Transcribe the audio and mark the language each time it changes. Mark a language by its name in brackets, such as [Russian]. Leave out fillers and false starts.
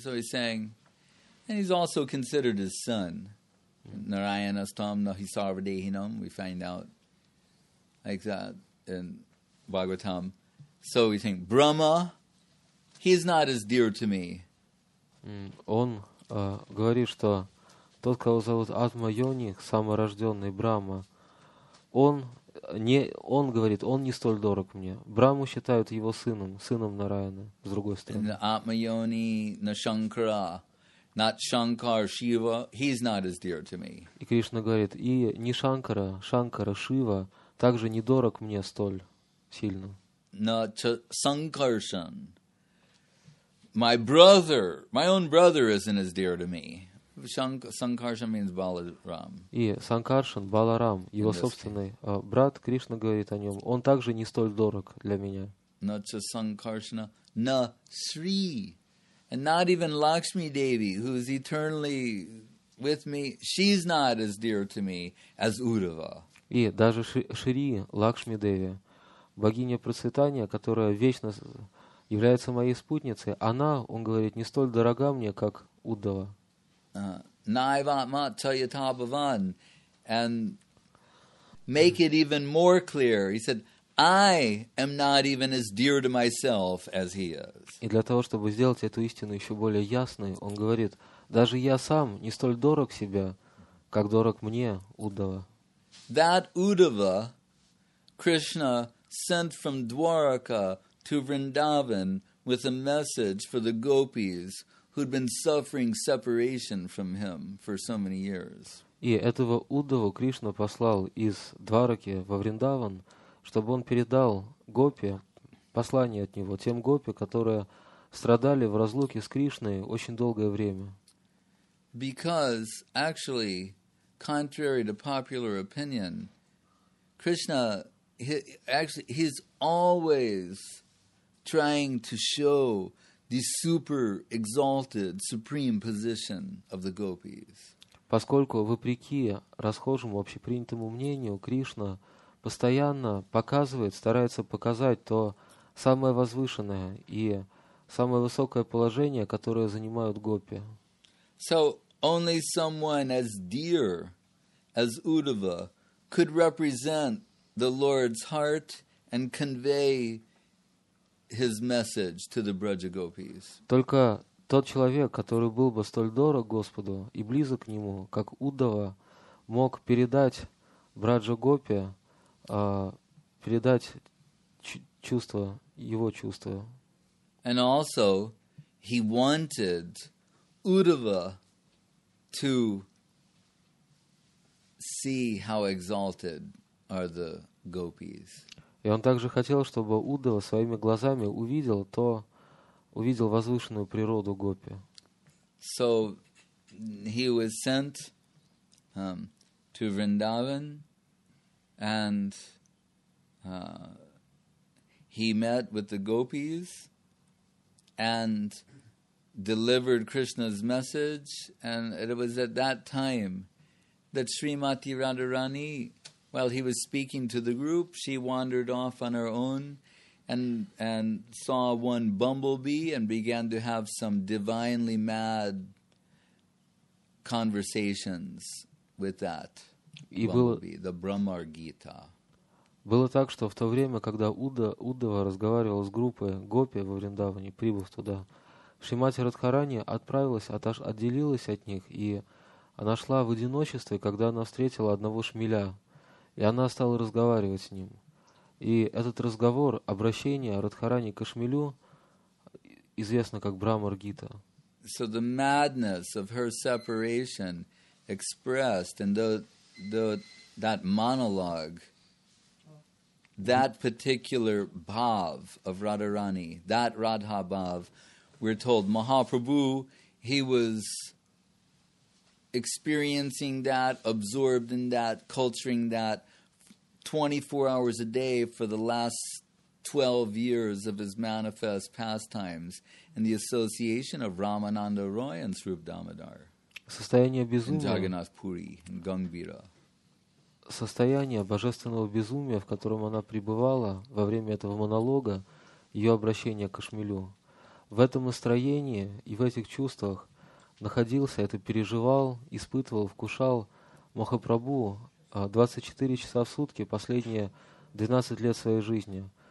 [English] So he's saying, and he's also considered his son. [Sanskrit] Narayanastam Nahisarvadehinam, [English] we find out like that in Bhagavatam. So we think, Brahma, he's not as dear to me. [Russian] Он говорит, что тот, кого зовут Атма Йони, саморожденный Брахма, он говорит, он не столь дорог мне. Брахму считают его сыном, сыном Нараяны, с другой стороны. [Sanskrit] Атма Йони Нашанкара. [English] Not Shankar, Shiva, he's not as dear to me. [Russian] И Кришна говорит, и не Шанкара, Шанкара, Шива, также не дорог мне столь сильно. [English] No, Sankarshan. My brother, my own brother isn't as dear to me. Sankarshan means Balaram. [Russian] И Sankarshan, Баларам, его собственный брат, Кришна говорит о нем, он также не столь дорог для меня. [English] No, Sankarshan, no, Sri. And not even Lakshmi Devi, who is eternally with me, she's not as dear to me as Uddhava. [Russian] И даже Шри Лакшми Деви, богиня процветания, которая вечно является моей спутницей, она, он говорит, не столь дорога мне, как Уддхава. [Sanskrit] Naivatma Tayatabhavan. [English] And make it even more clear, he said, I am not even as dear to myself as he is. [Russian] И для того, чтобы сделать эту истину еще более ясной, он говорит, даже я сам не столь дорог себя, как дорог мне Уддхава. [English] That Uddhava, Krishna sent from Dwarka to Vrindavan with a message for the gopis who'd been suffering separation from him for so many years. [Russian] И этого Уддхаву Кришна послал из Двараки во Вриндаван, чтобы он передал гопи послание от него, тем гопи, которые страдали в разлуке с Кришной очень долгое время. [English] Because, actually, contrary to popular opinion, Krishna, he's always trying to show the super exalted, supreme position of the gopis. [Russian] Поскольку, вопреки расхожему общепринятому мнению, Кришна постоянно показывает, старается показать то самое возвышенное и самое высокое положение, которое занимают гопи. [English] So only someone as dear as Uddhava could represent the Lord's heart and convey his message to the Brajagopis. [Russian] Только тот человек, который был бы столь дорог Господу и близок к Нему, как Уддхава, мог передать Брадже-гопи передать чувство, его чувство. [English] And also, he wanted Uddhava to see how exalted are the gopis. [Russian] И он также хотел, чтобы Уддхава своими глазами увидел то, увидел возвышенную природу гопи. [English] So, he was sent to Vrindavan and he met with the gopis and delivered Krishna's message. And it was at that time that Srimati Radharani, while he was speaking to the group, she wandered off on her own and saw one bumblebee and began to have some divinely mad conversations with that bumblebee, the Brahmar Gita. [Russian] Было так, что в то время, когда Уддхава разговаривал с группой гопи во Вриндаване, прибыв туда, Шримати Радхарани отправилась, отделилась от них, и она шла в одиночестве, когда она встретила одного шмеля, и она стала разговаривать с ним. И этот разговор, обращение Радхарани к шмелю, известно как Брамаргита. [English] So the madness of her separation expressed in that monologue, that particular bhav of Radharani, that Radha bhav, we're told Mahaprabhu, he was experiencing that, absorbed in that, culturing that 24 hours a day for the last 12 years of his manifest pastimes and the association of Ramananda Roy and Srupa Damodar. [Russian] состояние безумия, [English] in Jagannath Puri, in Gambira. [Russian] Состояние божественного безумия, в котором она пребывала во время этого монолога, ее обращение к Кашмилю. В этом настроении и в этих чувствах находился, это переживал, испытывал, вкушал Махапрабху 24 часа в сутки, последние 12 лет своей жизни.